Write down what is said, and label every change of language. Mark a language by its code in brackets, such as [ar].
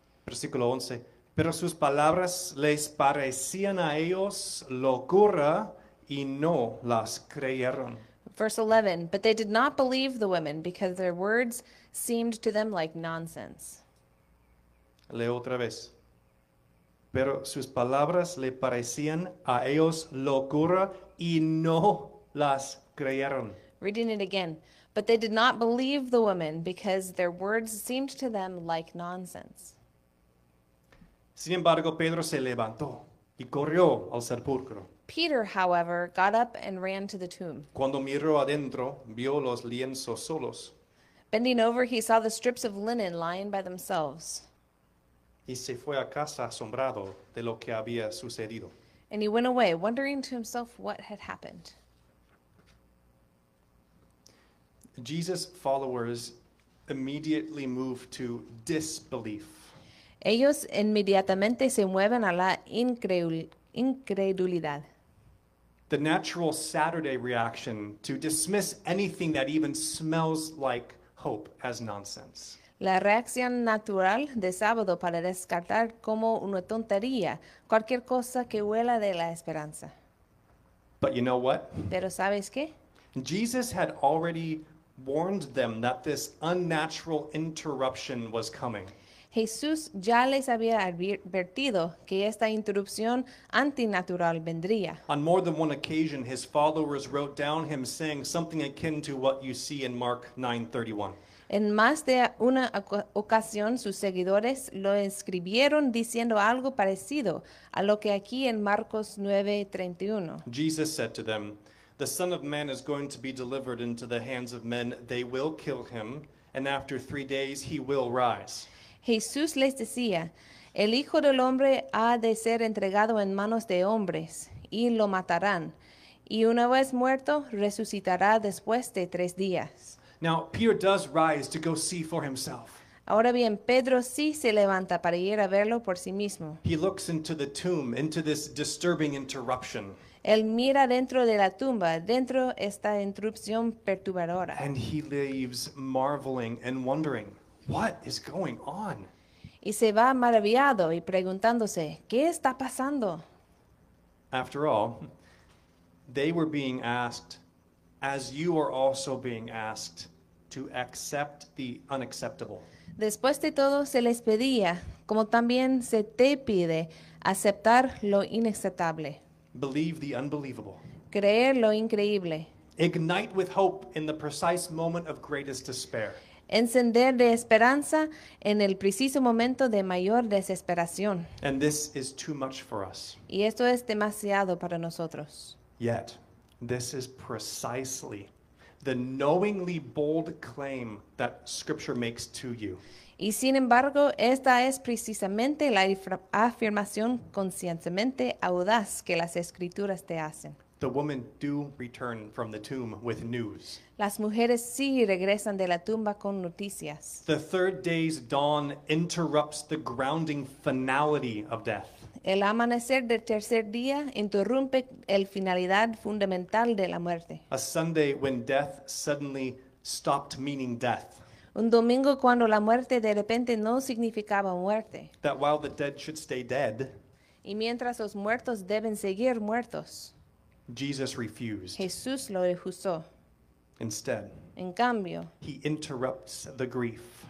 [es] Versículo 11. Pero sus palabras les parecían a ellos locura y no las creyeron. [en] Verse 11. But they did not believe the women because their words seemed to them like nonsense. [es] Leo otra vez. Pero sus palabras le parecían a ellos locura y no las creyeron. [en] Reading it again. But they did not believe the women because their words seemed to them like nonsense. [es] Sin embargo, Pedro se levantó y corrió al sepulcro. [en] Peter, however, got up and ran to the tomb. [es] Cuando miró adentro, vio los lienzos solos. [en] Bending over, he saw the strips of linen lying by themselves. [es] Y se fue a casa asombrado de lo que había sucedido. [en] And he went away, wondering to himself what had happened. Jesus' followers immediately move to disbelief. [es] Ellos inmediatamente se mueven a la incredulidad. [en] The natural Saturday reaction to dismiss anything that even smells like hope as nonsense. [es] La reacción natural de sábado para descartar como una tontería cualquier cosa que huela de la esperanza. [en] But you know what? [es] Pero ¿sabes qué? [en] Jesus had already warned them that this unnatural interruption was coming. [es] Jesús ya les había advertido que esta interrupción antinatural vendría. [en] On more than one occasion, his followers wrote down him saying something akin to what you see in Mark 9:31. [es] En más de una ocasión, sus seguidores lo escribieron diciendo algo parecido a lo que aquí en Marcos 9:31. [en] Jesus said to them, "The Son of Man is going to be delivered into the hands of men. They will kill him, and after 3 days he will rise." [es] Jesús les decía, "El Hijo del Hombre ha de ser entregado en manos de hombres, y lo matarán. Y una vez muerto, resucitará después de 3 días." [en] Now, Peter does rise to go see for himself. [es] Ahora bien, Pedro sí se levanta para ir a verlo por sí mismo. [en] He looks into the tomb, into this disturbing interruption. [es] Él mira dentro de la tumba, dentro esta interrupción perturbadora. [en] And he leaves marveling and wondering, what is going on? [es] Y se va maravillado y preguntándose, ¿qué está pasando? [en] After all, they were being asked, as you are also being asked, to accept the unacceptable. [es] Después de todo, se les pedía, como también se te pide, aceptar lo inaceptable. [en] Believe the unbelievable. [es] Creer lo increíble. [en] Ignite with hope in the precise moment of greatest despair. [es] Encender de esperanza en el preciso momento de mayor desesperación. [en] And this is too much for us. [es] Y esto es demasiado para nosotros. [en] Yet, this is precisely the knowingly bold claim that Scripture makes to you. [es] Y sin embargo, esta es precisamente la afirmación conscientemente audaz que las Escrituras te hacen. [en] The women do return from the tomb with news. [es] Las mujeres sí regresan de la tumba con noticias. [en] The third day's dawn interrupts the grounding finality of death. [es] El amanecer del tercer día interrumpe el finalidad fundamental de la muerte. [en] A Sunday when death suddenly stopped meaning death. [es] Un domingo cuando la muerte de repente no significaba muerte. [en] That while the dead should stay dead. [es] Y mientras los muertos deben seguir muertos. [en] Jesus refused. [es] Jesús lo rehusó. [en] Instead, [es] en cambio, [en] he interrupts the grief.